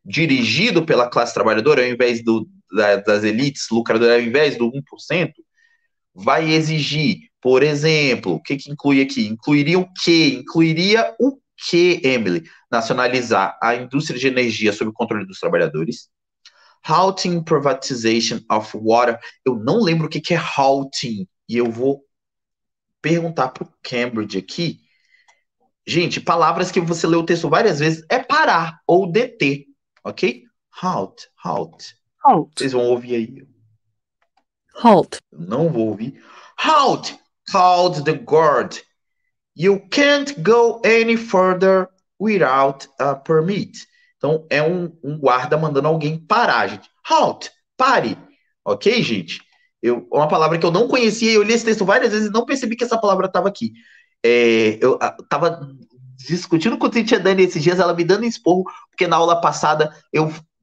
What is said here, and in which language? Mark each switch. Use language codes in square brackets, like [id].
[pt] Dirigido pela classe trabalhadora, ao invés das elites lucradoras, ao invés do 1%, vai exigir, por exemplo, o que que inclui aqui? Incluiria o quê? Incluiria o quê, Emily? Nacionalizar a indústria de energia sob o controle dos trabalhadores. [en] Halting privatization of water. [pt] Eu não lembro o que que é halting, e eu vou perguntar para o Cambridge aqui. Gente, palavras que você leu o texto várias vezes é parar ou deter, ok? [en] Halt. Halt. [pt] Vocês vão ouvir aí. [en] Halt. [pt] Não vou ouvir. [en] Halt! Called the guard. You can't go any further without a permit. [pt] Então é um guarda mandando alguém parar, gente. Halt! Pare! Ok, gente? Uma palavra que eu não conhecia, eu li esse texto várias vezes e não percebi que essa palavra estava aqui. Eu estava discutindo com a Tietchan Dani esses dias, ela me dando esporro, porque na aula passada eu.